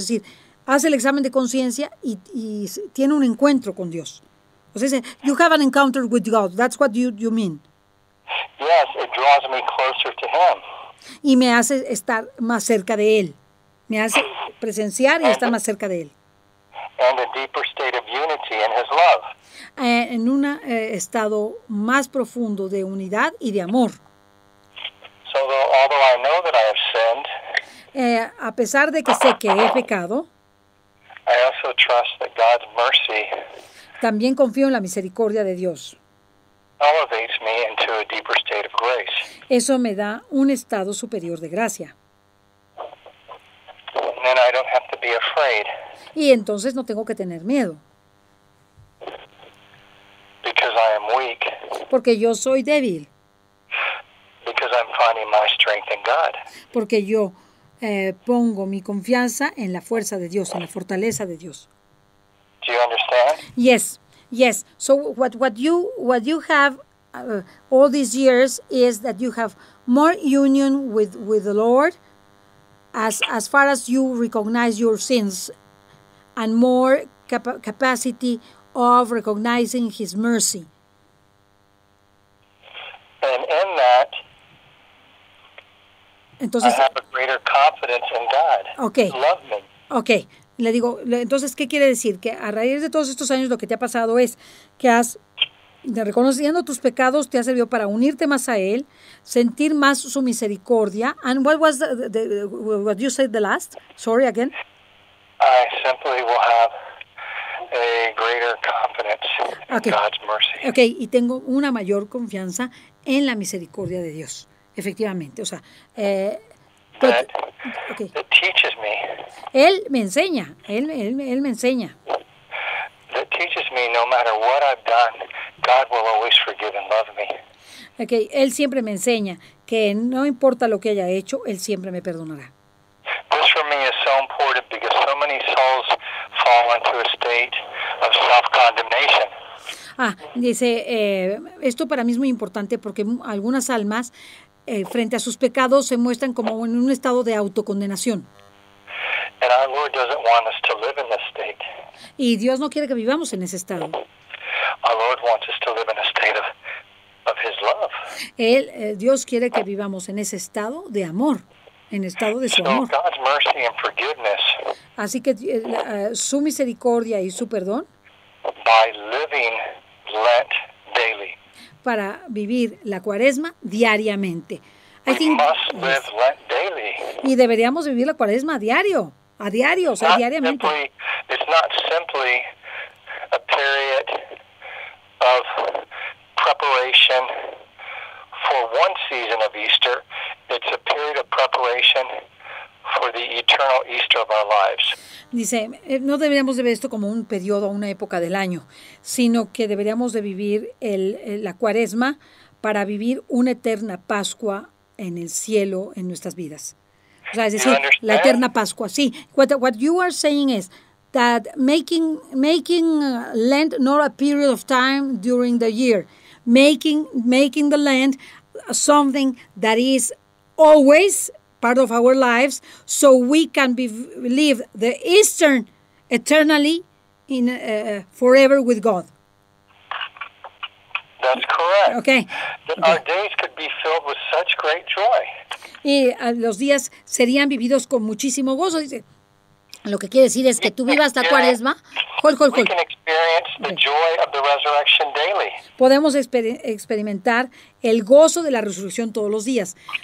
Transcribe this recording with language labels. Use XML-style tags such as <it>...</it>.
<es>Es decir, hace el examen de conciencia y tiene un encuentro con Dios. O sea,</es> <en>you have an encounter with God. That's what you mean. Yes, it draws me closer to Him.</en> <es>Y me hace estar más cerca de Él. Me hace presenciar y estar más cerca de Él.</es> <en>And a deeper state of unity in His love.</en> <es>En un estado más profundo de unidad y de amor.</es> <en>Although I know that I have sinned,</en> <es>a pesar de que sé que he pecado,</es> <en>I also trust that God's mercy,</en> <es>también confío en la misericordia de Dios.</es> <en>Elevates me into a deeper state of grace.</en> <es>Eso me da un estado superior de gracia.</es> <en>And then I don't have to be afraid.</en> <es>Y entonces no tengo que tener miedo.</es> <en>Because I am weak.</en> <es>Porque yo soy débil.</es> <en>Because I'm finding my strength in God.</en> <es>Porque yo pongo mi confianza en la fuerza de Dios, en la fortaleza de Dios.</es> <en>Do you understand? Yes, yes. So what you have all these years is that you have more union with the Lord, as far as you recognize your sins, and more capacity of recognizing His mercy. And in that.</en> <es>Entonces,</es> <en>I have a greater confidence in God. Okay. Love me.</en> <es>Okay. Le digo, entonces, ¿qué quiere decir? Que a raíz de todos estos años lo que te ha pasado es que has, reconociendo tus pecados, te ha servido para unirte más a Él, sentir más su misericordia.</es> <en>And what was what you said the last? Sorry, again. I simply will have a greater confidence okay. in God's mercy.</en> <es>Okay, y tengo una mayor confianza en la misericordia de Dios. Efectivamente, o sea,</es> <en>that teaches me.</en> <es>Él me enseña.</es> <en>That teaches me no matter what I've done, God will always forgive and love me.</en> <es>Okay, Él siempre me enseña que no importa lo que haya hecho, Él siempre me perdonará.</es> <en>This for me is so important because so many souls fall into a state of self-condemnation.</en> <es>Esto para mí es muy importante porque algunas almas frente a sus pecados se muestran como en un estado de autocondenación.</es> <en>And our Lord doesn't want us to live in this state.</en> <es>Y Dios no quiere que vivamos en ese estado.</es> <en>Our Lord wants us to live in a state of His love.</en> <es>Dios quiere que vivamos en ese estado de amor, en estado de su amor.</es> <en>So God's mercy and forgiveness.</en> <es>Así que su misericordia y su perdón.</es> <en>By living Lent daily.</en> <es>Para vivir la cuaresma diariamente.</es> <en>I think, yes.</en> <es>Y deberíamos vivir la cuaresma a diario, o sea, diariamente.</es> <en>It's not simply a period of preparation for one season of Easter. It's a period of preparation for the eternal Easter of our lives.</en> <es>Dice, no deberíamos de ver esto como un periodo o una época del año, sino que deberíamos de vivir la cuaresma para vivir una eterna Pascua en el cielo, en nuestras vidas. O sea, es decir, la eterna Pascua, sí.</es> <en>What you are saying is, that making Lent not a period of time during the year, making the Lent something that is always part of our lives, so we can live the Easter eternally in forever with God. That's correct. Okay. Our days could be filled with such great joy.</en> <es>Y los días serían vividos con muchísimo gozo, dice. Lo que quiere decir es que tú vivas la cuaresma.</es> <en>Hold. We can experience the joy of the resurrection daily.</en> <es>Podemos experimentar el gozo de la resurrección todos los días.</es>